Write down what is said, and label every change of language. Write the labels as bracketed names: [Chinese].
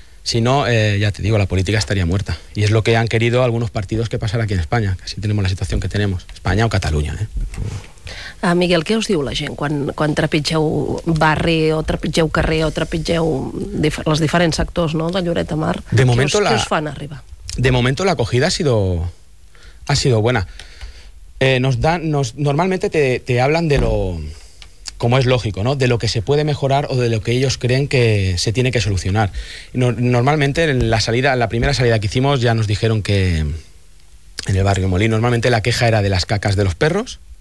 [Spanish] Si no, ya te digo, la política estaría muerta. Y es lo que han querido algunos partidos que pasara aquí en España, que así tenemos la situación que tenemos, España o Cataluña, [Catalan] Miguel, què us diu la gent quan trepitgeu barri o trepitgeu carrer o trepitgeu els diferents sectors, no?, de Lloret de Mar? [Spanish] De momento [Catalan] què us fan arribar? [Spanish] De momento la acogida ha sido buena. Normalmente te hablan de lo, como es lógico, ¿no?, de lo que se puede mejorar o de lo que ellos creen que se tiene que solucionar. Normalmente en la primera salida que hicimos ya nos dijeron que en el barrio Molí normalmente la queja era de las cacas de los perros.